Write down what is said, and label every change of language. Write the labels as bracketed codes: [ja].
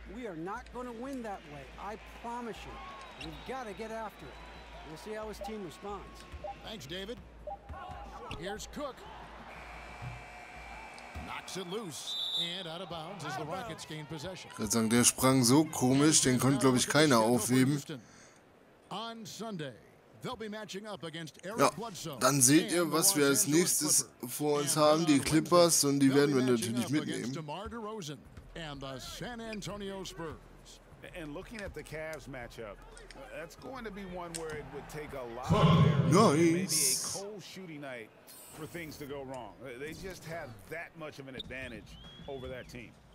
[en] We are not going to win that way. I promise you. We've got to get after it. We'll see how his team responds. Thanks, David. Here's Cook. Knocks it loose. And out of bounds as the Rockets gain possession. [de] Ich würde sagen, der sprang so komisch, den konnte, glaube ich, keiner aufheben. [en] On Sunday, they'll be matching up against Eric Bledsoe. [de] Ja, dann seht ihr, was wir als nächstes vor uns haben, die Clippers, und die werden wir natürlich mitnehmen. [en] DeMar DeRozan and the San Antonio Spurs. And looking at the Cavs matchup, that's going to be one where it would take a lot of nice. Maybe a cold shooting night for things to go wrong. They just have that much of an advantage over that team.